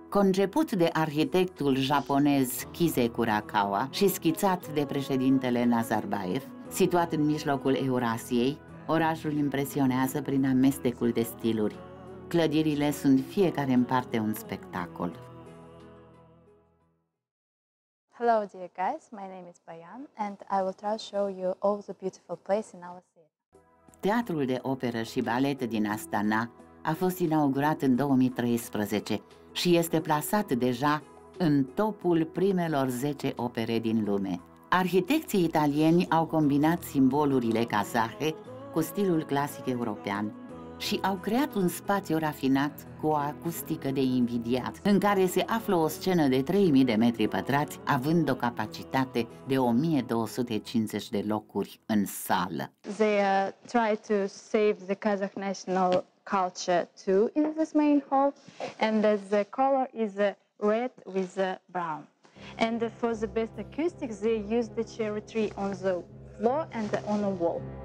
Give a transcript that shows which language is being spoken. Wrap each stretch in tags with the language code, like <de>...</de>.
<ro>Conceput de arhitectul japonez Kise Kurakawa și schițat de președintele Nazarbayev, Situat în mijlocul Eurasiei, orașul impresionează prin amestecul de stiluri. Clădirile sunt fiecare în parte un spectacol.</ro> <en>Hello dear guys, my name is Bayan and I will try to show you all the beautiful places in our city.</en> <ro>Teatrul de operă și balet din Astana a fost inaugurat în 2013 și este plasat deja în topul primelor 10 opere din lume. Arhitecții italieni au combinat simbolurile kazahe cu stilul clasic european și au creat un spațiu rafinat cu o acustică de invidiat, în care se află o scenă de 3000 de metri pătrați, având o capacitate de 1250 de locuri în sală.</ro> <en>They try to save the Kazakh national culture too in this main hall, and the color is red with brown. And for the best acoustics, they use the cherry tree on the floor and on the wall.</en>